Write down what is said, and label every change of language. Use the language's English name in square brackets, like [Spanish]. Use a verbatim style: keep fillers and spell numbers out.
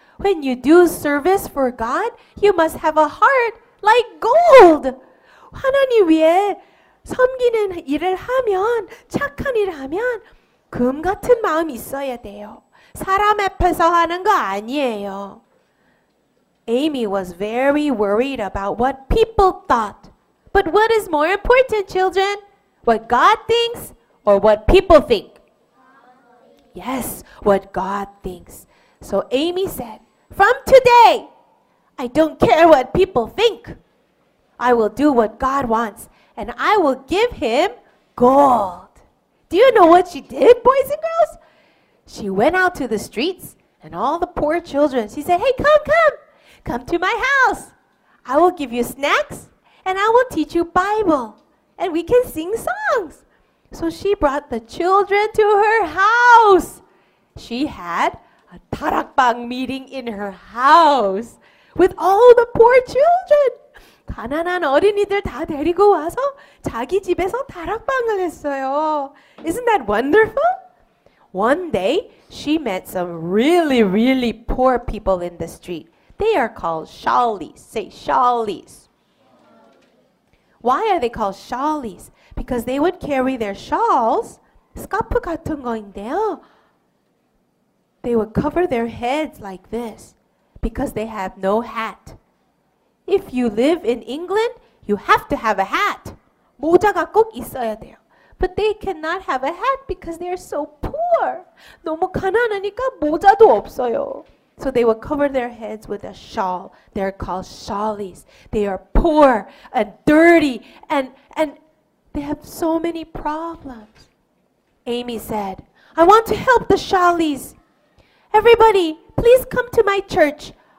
[English] When you do service for God, you must have a heart like gold. [Korean] 하나님 위해 섬기는 일을 하면, 착한 일을 하면 금 같은 마음이 있어야 돼요. 사람 앞에서 하는 거 아니에요. [English] Amy was very worried about what people thought. But what is more important, children? What God thinks or what people think? Yes, what God thinks. So Amy said, from today, I don't care what people think. I will do what God wants, and I will give him gold. Do you know what she did, boys and girls? She went out to the streets and all the poor children. She said, hey, come, come. Come to my house. I will give you snacks, and I will teach you Bible, and we can sing songs. So she brought the children to her house. She had a tarakbang meeting in her house with all the poor children. [Korean] 가난한 어린이들 다 데리고 와서 자기 집에서 다락방을 했어요. [English] Isn't that wonderful? One day, she met some really, really poor people in the street. They are called shawlies. Say shawlies. Why are they called shawlies? Because they would carry their shawls, [Korean] 스카프 같은 거인데요. [English] They would cover their heads like this because they have no hat. If you live in England, you have to have a hat. [Korean] 모자가 꼭 있어야 돼요. [English] But they cannot have a hat because they are so poor. [Korean] 너무 가난하니까 모자도 없어요. [English] So they will cover their heads with a shawl. They're called shawlies. They are poor and dirty and, and they have so many problems. Amy said, I want to help the shawlies. Everybody, please come to my church.